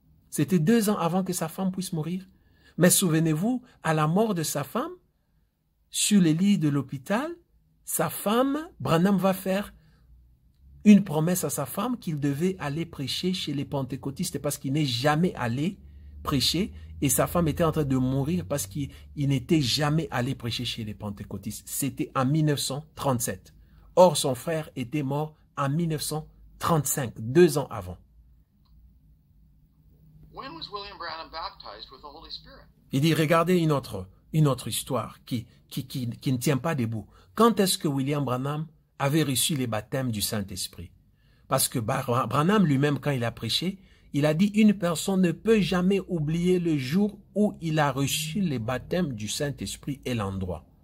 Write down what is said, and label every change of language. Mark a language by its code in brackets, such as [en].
[fr] C'était 2 ans avant que sa femme puisse mourir. Mais souvenez-vous, à la mort de sa femme, sur les lits de l'hôpital, sa femme, Branham va faire une promesse à sa femme qu'il devait aller prêcher chez les pentecôtistes parce qu'il n'est jamais allé prêcher et sa femme était en train de mourir parce qu'il n'était jamais allé prêcher chez les pentecôtistes. C'était en 1937. Or, son frère était mort en 1935, 2 ans avant. [en] When was William Branham baptized with the Holy Spirit? [fr] Il dit, regardez une autre histoire qui ne tient pas debout. Quand est-ce que William Branham avait reçu les baptêmes du Saint-Esprit? Parce que Branham lui-même, quand il a prêché, il a dit, une personne ne peut jamais oublier le jour où il a reçu les baptêmes du Saint-Esprit et l'endroit.